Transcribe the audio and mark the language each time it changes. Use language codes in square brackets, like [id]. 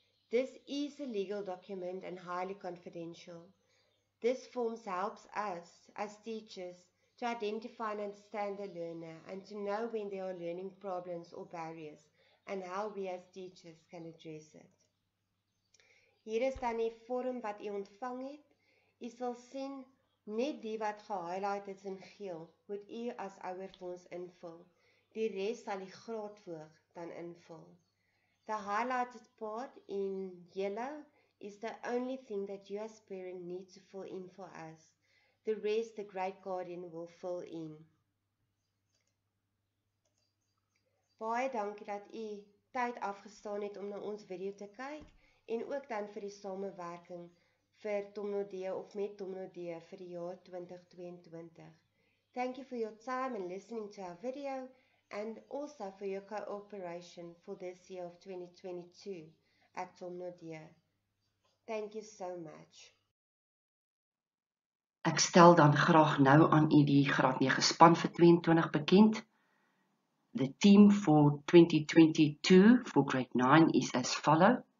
[en] This is a legal document and highly confidential. This form helps us as teachers to identify and understand the learner and to know when there are learning problems or barriers and how we as teachers can address it. [af] Hier is dan die vorm wat jy ontvang het. Jy sal sien, net die wat gehighlight is in geel, moet jy as ouer vir ons invul. Die res sal die graadvoog dan invul. [en] The highlighted part in yellow is the only thing that you as parent need to fill in for us. The rest the great guardian will fill in. [af] Baie dankie dat jy tyd afgestaan het om na ons video te kyk. En ook dan vir die samenwerking vir Tom Naudé of met Tom Naudé vir die jaar 2022. [en] Thank you for your time and listening to our video and also for your cooperation for this year of 2022 at Tom Naudé. Thank you so much. [af] Ek stel dan graag nou aan u die graad 9 span vir 22 bekend. [en] The team for 2022 for grade 9 is as follow.